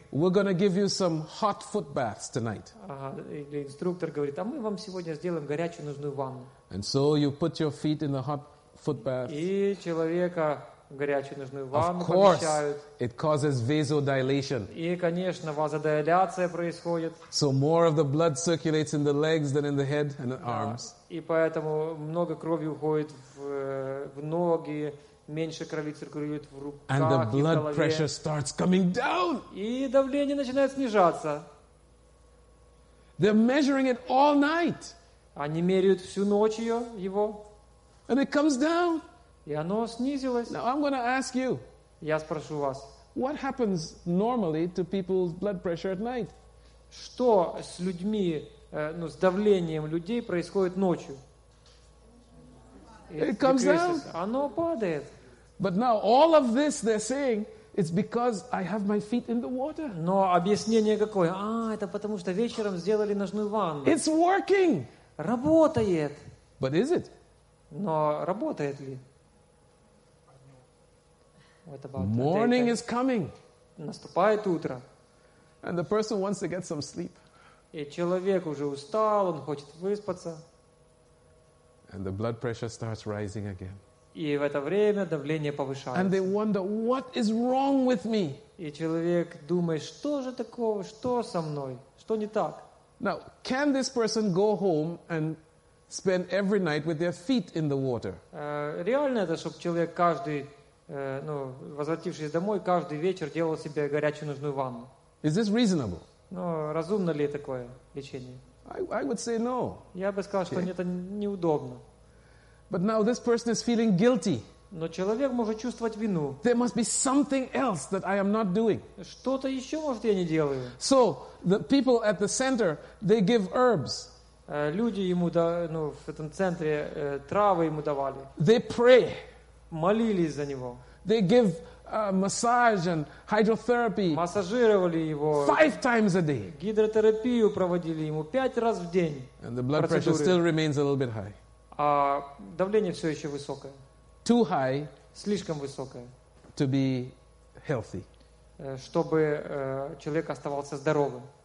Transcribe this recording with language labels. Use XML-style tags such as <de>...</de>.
<en>We're going to give you some hot foot baths tonight.</en> <ru>Или инструктор говорит, а мы вам сегодня сделаем горячую нужную ванну.</ru> <en>And so you put your feet in the hot foot bath.</en> <ru>И человека горячую нужную ванну</ru> <en>of course,</en> <ru>помещают.</ru> <en>It causes vasodilation.</en> <ru>И, конечно, вазодиляция происходит.</ru> <en>So more of the blood circulates in the legs than in the head and the arms.</en> <ru>И поэтому много крови уходит в ноги, меньше крови циркулирует в руках и в голове.</ru> <en>And the blood pressure starts coming down.</en> <ru>И давление начинает снижаться.</ru> <en>They're measuring it all night.</en> <ru>Они меряют всю ночь ее, его.</ru> <en>And it comes down.</en> <ru>И оно снизилось.</ru> <en>Now I'm going to ask you.</en> <ru>Я спрошу вас.</ru> <en>What happens normally to people's blood pressure at night?</en> <ru>Что с людьми, с давлением людей происходит ночью?</ru> <en>It comes down.</en> <ru>Оно падает.</ru> <en>But now all of this they're saying, it's because I have my feet in the water.</en> <ru>Но объяснение какое? А, это потому что вечером сделали ножную ванну.</ru> <en>It's working.</en> <ru>Работает.</ru> <en>But is it?</en> <ru>Но работает ли?</ru> <en>What about morning is coming.</en> <ru>Наступает утро.</ru> <en>And the person wants to get some sleep.</en> <ru>И человек уже устал, он хочет выспаться.</ru> <en>And the blood pressure starts rising again.</en> <ru>И в это время давление повышается.</ru> <en>And they wonder, what is wrong with me?</en> <ru>И человек думает, что же такое, что со мной, что не так?</ru> <en>Now, can this person go home and spend every night with their feet in the water?</en> <ru>Реально это, чтобы человек каждый, возвратившись домой, каждый вечер делал себе горячую нужную ванну?</ru> <en>Is this reasonable?</en> <ru>Но разумно ли такое лечение?</ru> <en>I would say no.</en> <ru>Я бы сказал, что это неудобно.</ru> <en>But now this person is feeling guilty.</en> <ru>Но человек может чувствовать вину.</ru> <en>There must be something else that I am not doing.</en> <ru>Что-то еще, может, я не делаю.</ru> <en>So the people at the center, they give herbs.</en> <ru>Люди ему в этом центре травы ему давали.</ru> <en>They pray.</en> <ru>Молились за него.</ru> <en>They give massage and hydrotherapy.</en> <ru>Массажировали его.</ru> <en>5 times a day.</en> <ru>Гидротерапию проводили ему 5 раз в день.</ru> <en>And the blood pressure still remains a little bit high.</en> <ru>А давление все еще высокое.</ru> <en>Too high.</en> <ru>Слишком высокое.</ru> <en>To be healthy.</en> <ru>Чтобы человек оставался здоровым.</ru>